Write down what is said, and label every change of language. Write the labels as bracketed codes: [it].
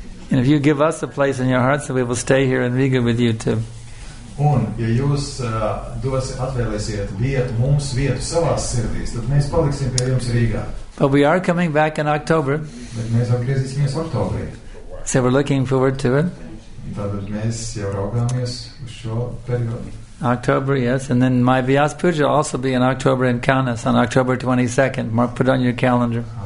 [en] And if you give us a place in your heart, so we will stay here in Riga with you too. [lv] Un, ja jūs atvēlēsiet vietu, mums vietu savās sirdīs, tad mēs paliksim pie jums Rīgā. [en] But we are coming back in October. [lv] Bet mēs atgriezīsimies oktobrī. [en] So we're looking forward to it. [lv] Tātad mēs jau raugāmies uz šo periodu. [en] October, yes, and then my Vyas Puja will also be in October in Kaunas on October 22nd. Mark, put on your calendar.